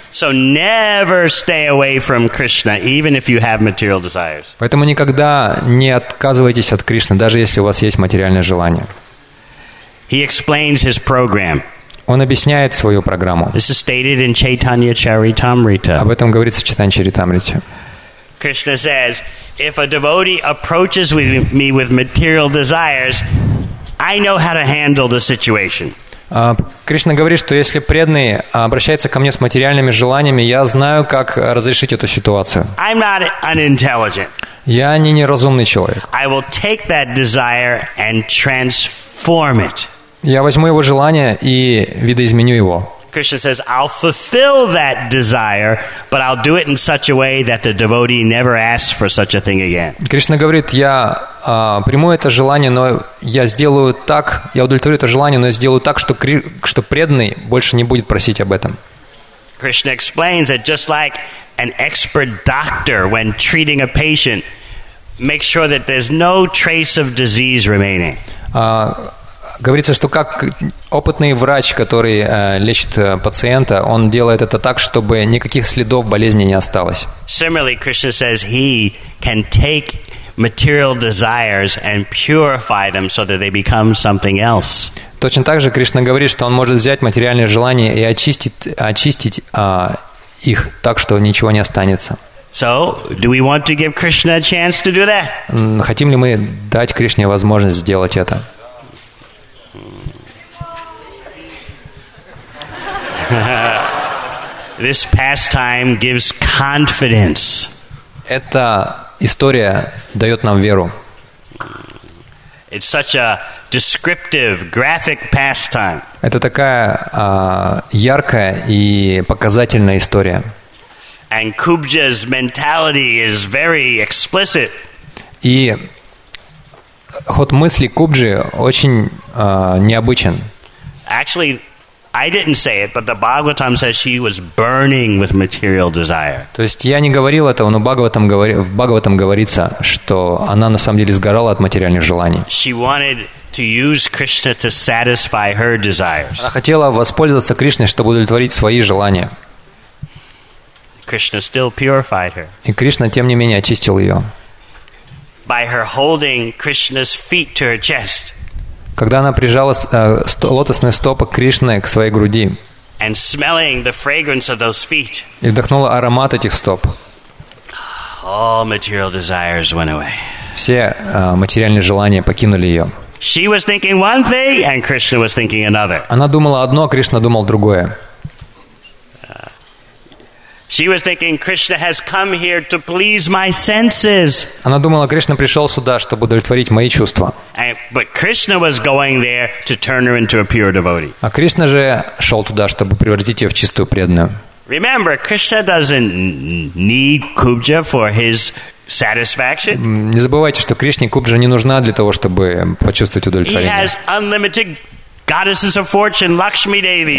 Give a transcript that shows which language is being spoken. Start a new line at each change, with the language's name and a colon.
English: So never stay away from Krishna, even if you have material desires.
Russian: Поэтому никогда не отказывайтесь от Кришны, даже если у вас есть материальное желание.
English: He explains his program.
Russian: Он объясняет свою программу.
English: This is stated in Chaitanya Charitamrita.
Russian: Об этом говорится в Чайтанья Чаритамрите.
English: Krishna says, if a devotee approaches with me with material desires, I know how to handle the situation.
Russian: Кришна говорит, что если преданный обращается ко мне с материальными желаниями, я знаю, как разрешить эту ситуацию.
English: I'm not unintelligent.
Russian: Я не неразумный человек.
English: I will take that desire and transform it.
Russian: Я возьму его желание и видоизменю его.
English: Krishna says, I'll fulfill that desire, but I'll do it in such a way that the devotee never asks for such a thing again.
Russian: Кришна говорит, я приму это желание, но я сделаю так, я удовлетворю это желание, но я сделаю так, что преданный больше не будет просить об этом.
English: Krishna explains that just like an expert doctor when treating a patient makes sure that there's no trace of disease remaining.
Russian: Говорится, что как опытный врач, который лечит пациента, он делает это так, чтобы никаких следов болезни не осталось.
English: Similarly, Krishna says he can take material desires and purify them so that they become something else.
Russian: Точно так же Кришна говорит, что он может взять материальные желания и очистить их так, что ничего не останется.
English: So, do we want to give Krishna a chance to do that?
Russian: Хотим ли мы дать Кришне возможность сделать это?
English: This pastime gives confidence.
Russian: Эта история дает нам веру.
English: It's such a descriptive, graphic pastime.
Russian: Это такая яркая и показательная история.
English: And Kubja's mentality is very explicit.
Russian: И ход мысли Кубджи очень необычен.
English: Actually, I didn't say it, but the Bhagavatam says she was burning with material desire.
Russian: То есть я не говорил этого, но в Бхагаватам говорится, что она на самом деле сгорала от материальных желаний.
English: She wanted to use Krishna to satisfy her desires.
Russian: Она хотела воспользоваться Кришной, чтобы удовлетворить свои желания.
English: Krishna still purified her.
Russian: И Кришна тем не менее очистил ее.
English: By her holding Krishna's feet to her chest.
Russian: Когда она прижала лотосные стопы Кришны к своей груди
English: and smelling the fragrance of those feet,
Russian: и вдохнула аромат этих стоп,
English: all material desires went away.
Russian: Все материальные желания покинули ее.
English: She was thinking one thing, and Krishna was thinking another.
Russian: Она думала одно, а Кришна думал другое.
English: She was thinking, Krishna has come here to please my senses.
Russian: Она думала, Кришна пришел сюда, чтобы удовлетворить мои чувства.
English: But Krishna was going there to turn her into a pure devotee.
Russian: А Кришна же шел туда, чтобы превратить ее в чистую преданную.
English: Remember, Krishna doesn't need Kubja for his satisfaction.
Russian: Не забывайте, что Кришне Кубджа не нужна для того, чтобы почувствовать удовлетворение.
English: He has unlimited goddesses of fortune, Lakshmi Devi.